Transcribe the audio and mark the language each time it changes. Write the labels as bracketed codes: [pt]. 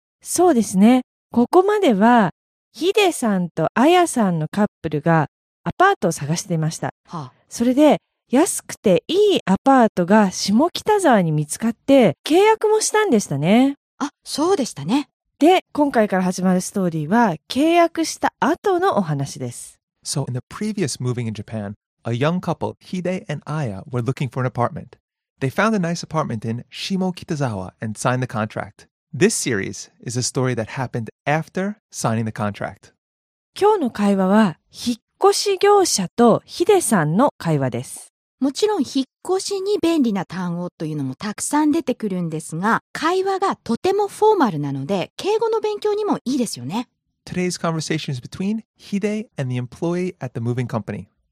[ja] そうですね、ここまではヒデさんとアヤさんのカップルがアパートを探していました、はあ、それで安くていいアパートが下北沢に見つかって契約もしたんでしたね。あ、そうでしたね。で、今回から始まるストーリーは契約した後のお話です。 [en] So in the previous Moving in Japan, a young couple, Hide and Aya, were looking for an apartment. They found a nice apartment in Shimokitazawa and signed the contract. This series is a story that happened after signing the contract. [ja] 今日の会話は引っ越し業者とヒデさんの会話です。もちろん引っ越しに便利な単語というのもたくさん出てくるんですが、会話がとてもフォーマルなので敬語の勉強にもいいですよね。 [en] Today's conversation is between Hide and the employee at the moving company.